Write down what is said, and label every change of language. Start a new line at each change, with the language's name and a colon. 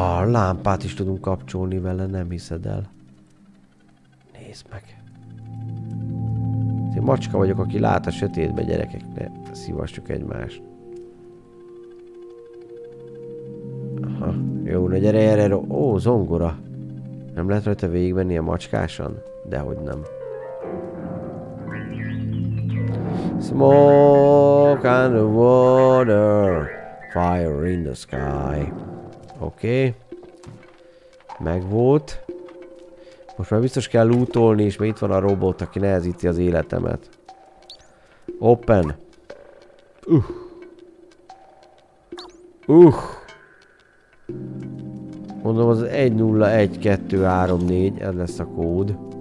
Hungarian: Lámpát is tudunk kapcsolni vele, nem hiszed el. Meg. Én macska vagyok, aki lát a sötétbe, gyerekek, ne szívassuk egymást. Aha, jó, na gyere, gyere, gyere. Ó, zongora. Nem lehet rajta végigmenni a macskásan? Dehogy nem.
English: Smoke and water, fire in the sky.
Hungarian: Okay. Megvolt. Most már biztos kell lootolni, és mert itt van a robot, aki nehezíti az életemet.
English: Open.
Hungarian: Mondom, az 101234, ez lesz a kód.